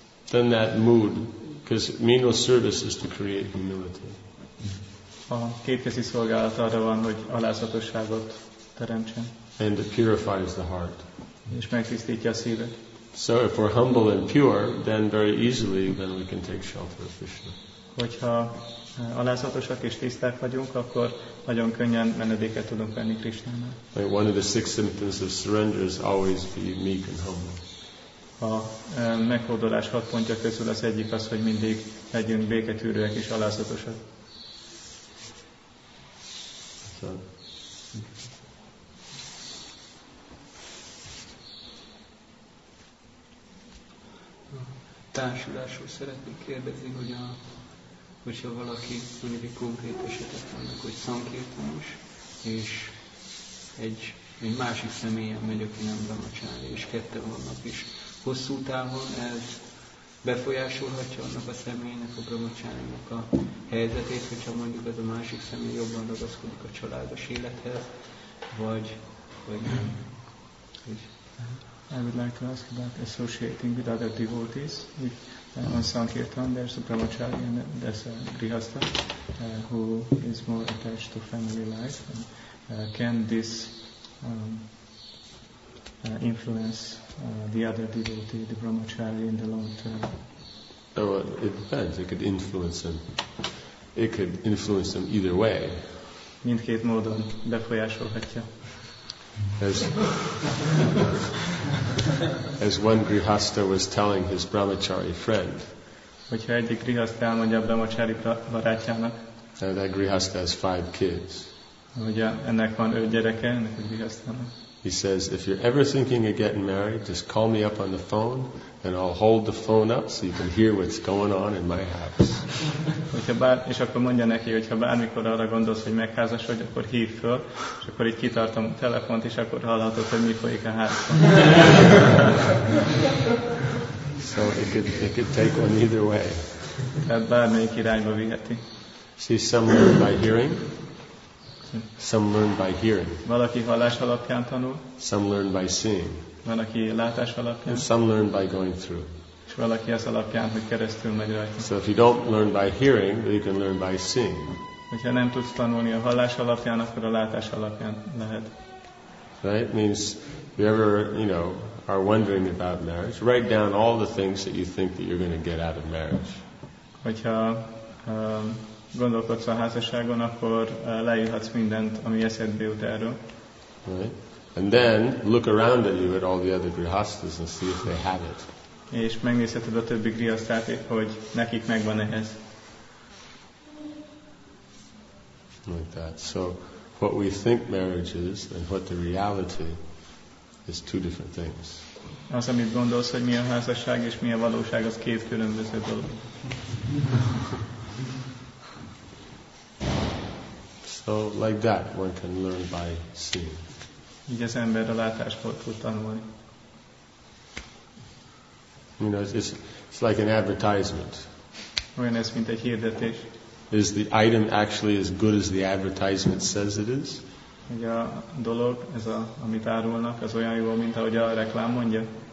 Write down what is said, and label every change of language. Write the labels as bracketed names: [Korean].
[English] Then that mood, because menial service is to create humility. [Hungarian] A kétkezi szolgálat arra van, hogy alázatosságot teremtsen. [English] And it purifies the heart. [Hungarian] És megtisztítja a szívet. [English] So if we're humble and pure, then very easily then we can take shelter of Krishna. [Hungarian] Hogyha alázatosak és tiszták vagyunk, akkor nagyon könnyen menedéket tudunk venni Krisnának. [English] Like one of the six symptoms of surrender is always be meek and humble. [Hungarian] A meghódolás hat pontja közül az egyik az, hogy mindig legyünk béketűrőek és alázatosak. [English] So. [Hungarian] Társulásról szeretnék kérdezni, hogy hogyha valaki mondjuk egy konkrét esetet mondjuk, hogy szankirtanos, és egy másik személyen megy, aki nem brahmacsári, és kette vannak is. Hosszú távon ez befolyásolhatja annak a személynek, a brahmacsárinak a helyzetét, hogyha mondjuk ez a másik személy jobban ragaszkodik a családos élethez, vagy nem. [English] I would like to ask about associating with other devotees. If on Sankirtan there's a brahmachari and there's a grihastha who is more attached to family life. Can this influence the other devotee, the brahmachari, in the long term? Oh, well, it depends. It could influence them. It could influence them either way. [Hungarian] Mindkét módon befolyásolhatja. [English] As one grihastha was telling his brahmachari friend. [Hungarian] Hogyha egyik grihastha elmondja a brahmachari barátjának. [English] And that grihastha has 5 kids. [Hungarian] Ugye, ennek van 5 gyereke, ennek a grihasthának. [English] He says, if you're ever thinking of getting married, just call me up on the phone and I'll hold the phone up so you can hear what's going on in my house. [Hungarian] És akkor mondja neki, hogyha bármikor arra gondolsz, hogy megházasodj, akkor hívd föl, és akkor így kitartom a telefont, és akkor hallhatod, hogy mi folyik a házban. [English] So it could take one either way. [Hungarian] Tehát bármelyik irányba viheti. [English] See, some learn by hearing. Some learn by hearing. [Hungarian] Valaki hallás alapján tanul. [English] Some learn by seeing. [Hungarian] Valaki látás alapján. [English] And some learn by going through. [Hungarian] És valaki az alapján, hogy keresztül megy rajta. [English] So if you don't learn by hearing, then you can learn by seeing. [Hungarian] Hogyha nem tudsz tanulni a hallás alapján, akkor a látás alapján lehet. [English] Right? Means you ever, you know, are wondering about marriage, write down all the things that you think that you're going to get out of marriage. [Hungarian] Hogyha gondolkodsz a házasságon, akkor leírhatsz mindent, ami eszedbe jut erről. [English] Right. And then look around at you at all the other grihasthas and see if they have it. [Hungarian] És megnézheted a többi grihasztát, hogy nekik megvan ehhez. [English] Like that. So what we think marriage is and what the reality is two different things. [Hungarian] Az, amit gondolsz, hogy mi a házasság és mi a valóság, az két különböző dolog. [English] So like that, one can learn by seeing. [Hungarian] Így az ember a látásból tud tanulni. [English] You know, it's like an advertisement. [Hungarian] Olyan ez, mint egy hirdetés. [English] Is the item actually as good as the advertisement says it is? [Hungarian] Ugye a dolog, ez a, amit árulnak, az olyan jó, mint ahogy a reklám mondja?